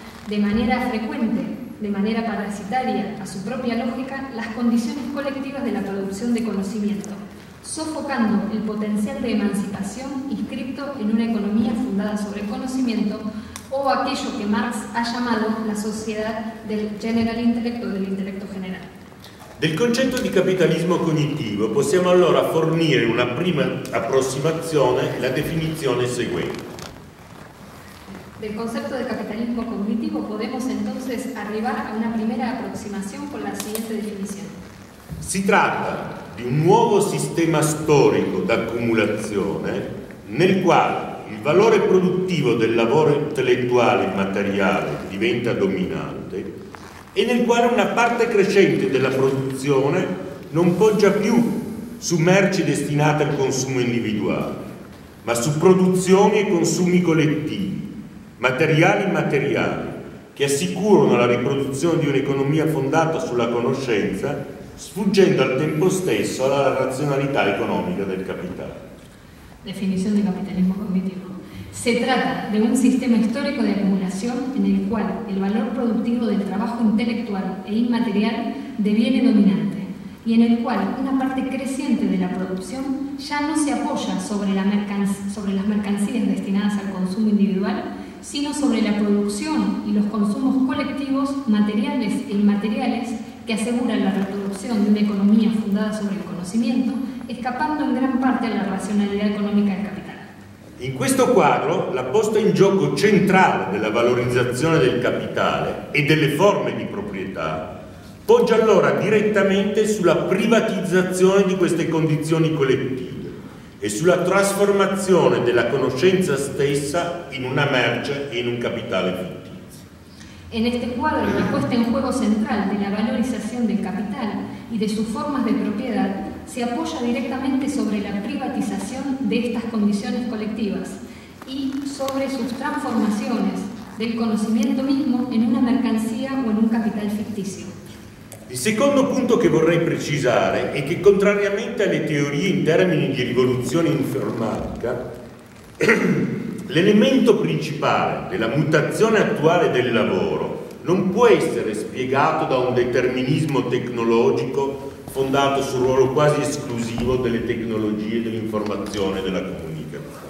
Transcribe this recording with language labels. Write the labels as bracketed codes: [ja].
[es] de manera frecuente, de manera parasitaria, a su propia lógica, las condiciones colectivas de la producción de conocimiento, sofocando el potencial de emancipación inscripto en una economía fundada sobre el conocimiento o aquello que Marx ha llamado la sociedad del general intelecto, del intelecto general. [it] Del concetto di capitalismo cognitivo possiamo allora fornire una prima approssimazione, la definizione seguente. [es] Del concepto de capitalismo cognitivo podemos entonces arrivare a una primera aproximación con la siguiente definición. [it] Si tratta di un nuovo sistema storico d'accumulazione nel quale il valore produttivo del lavoro intellettuale e materiale diventa dominante e nel quale una parte crescente della produzione non poggia più su merci destinate al consumo individuale, ma su produzioni e consumi collettivi, materiali e immateriali, che assicurano la riproduzione di un'economia fondata sulla conoscenza, sfuggendo al tempo stesso alla razionalità economica del capitale. [es] Definición de capitalismo cognitivo. Se trata de un sistema histórico de acumulación en el cual el valor productivo del trabajo intelectual e inmaterial deviene dominante y en el cual una parte creciente de la producción ya no se apoya sobre las mercancías destinadas al consumo individual, sino sobre la producción y los consumos colectivos materiales e inmateriales que aseguran la reproducción de una economía fundada sobre el conocimiento, escapando en gran parte a la racionalidad económica del capital. [it] In questo quadro, la posta in gioco centrale della valorizzazione del capitale e delle forme di proprietà poggia allora direttamente sulla privatizzazione di queste condizioni collettive e sulla trasformazione della conoscenza stessa in una merce e in un capitale fittizio. [es] En este cuadro, la puesta en juego central de la valorización del capital y de sus formas de propiedad se apoya directamente sobre la privatización de estas condiciones colectivas y sobre sus transformaciones del conocimiento mismo en una mercancía o en un capital ficticio. [it] Il secondo punto che vorrei precisare è che, contrariamente alle teorie in termini di rivoluzione informatica, l'elemento principale della mutazione attuale del lavoro non può essere spiegato da un determinismo tecnologico fondato sul ruolo quasi esclusivo delle tecnologie dell'informazione e della comunicazione.